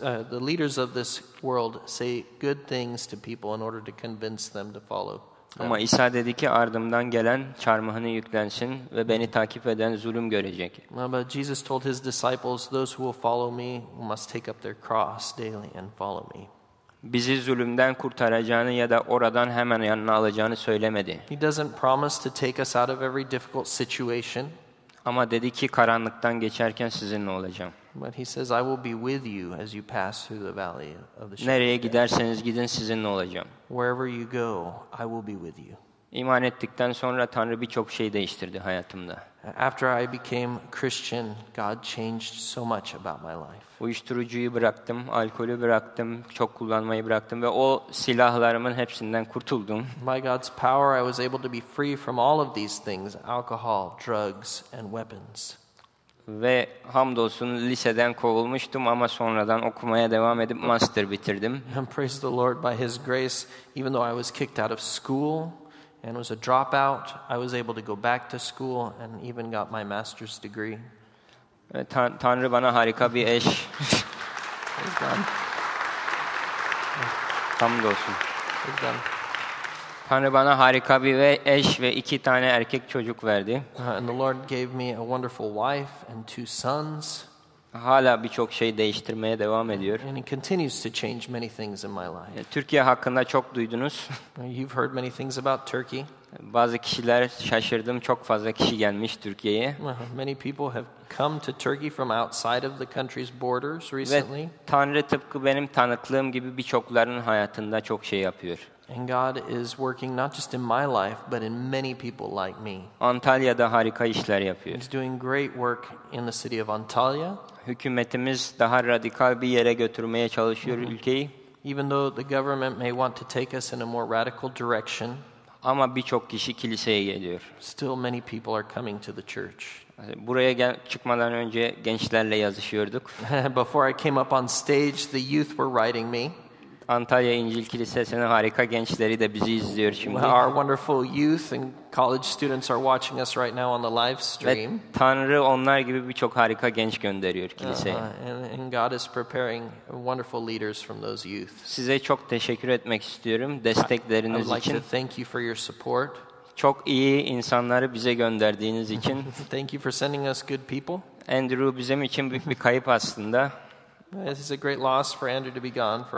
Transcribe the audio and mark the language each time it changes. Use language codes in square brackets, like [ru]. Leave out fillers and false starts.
[en] The leaders of this world say good things to people in order to convince them to follow. [tr] Ama İsa dedi ki ardımdan gelen çarmıhını yüklensin ve beni takip eden zulüm görecek. [en] But Jesus told his disciples, "Those who will follow me must take up their cross daily and follow me." [tr] Bizi zulümden kurtaracağını ya da oradan hemen yanına alacağını söylemedi. [en] He doesn't promise to take us out of every difficult situation. [tr] Ama dedi ki karanlıktan geçerken sizinle olacağım. [en] But he says, "I will be with you as you pass through the valley of the shadow of death." [tr] Nereye giderseniz gidin sizinle olacağım. [en] Wherever you go, I will be with you. [tr] İman ettikten sonra Tanrı birçok şey değiştirdi hayatımda. [en] After I became Christian, God changed so much about my life. [tr] Uyuşturucuyu bıraktım, alkolü bıraktım, çok kullanmayı bıraktım ve o silahlarımın hepsinden kurtuldum. [en] By God's power, I was able to be free from all of these things, alcohol, drugs, and weapons. [tr] Ve hamdolsun liseden kovulmuştum ama sonradan okumaya devam edip master bitirdim. [en] And praise the Lord, by his grace, even though I was kicked out of school, and was a dropout, I was able to go back to school and even got my master's degree. [tr] Tanrı bana harika bir eş. Hamdolsun. Tanrı bana harika bir eş ve iki tane erkek çocuk verdi. [en] And the Lord gave me a wonderful wife and two sons. [tr] Hala birçok şey değiştirmeye devam ediyor. [en] And he continues to change many things in my life. [tr] Türkiye hakkında çok duydunuz. [en] You've heard many things about Turkey. [tr] Bazı kişiler şaşırdım. Çok fazla kişi gelmiş Türkiye'ye. [en] Many people have come to Turkey from outside of the country's borders recently. [tr] Ve Tanrı tıpkı benim tanıklığım gibi birçoklarının hayatında çok şey yapıyor. [en] And God is working not just in my life, but in many people like me. [tr] Antalya'da harika işler yapıyor. [en] He's doing great work in the city of Antalya. [tr] Hükümetimiz daha radikal bir yere götürmeye çalışıyor ülkeyi. [en] Even though the government may want to take us in a more radical direction, [tr] ama birçok kişi kiliseye geliyor. [en] Still many people are coming to the church. [tr] Buraya çıkmadan önce gençlerle yazışıyorduk. [en] Before I came up on stage, the youth were writing me. [tr] Antalya İncil Kilisesi'nin harika gençleri de bizi izliyor şimdi. [en] Our wonderful youth and college students are watching us right now on the live stream. [tr] Ve Tanrı onlar gibi birçok harika genç gönderiyor kiliseye. [en] And God is preparing wonderful leaders from those youth. [tr] Size çok teşekkür etmek istiyorum destekleriniz için. [en] I'd like to thank you for your support. [tr] Çok iyi insanları bize gönderdiğiniz için. [en] Thank you for sending us good people. [tr] Andrew bizim için büyük bir kayıp aslında. [en] This is a great loss for Andrew to be gone for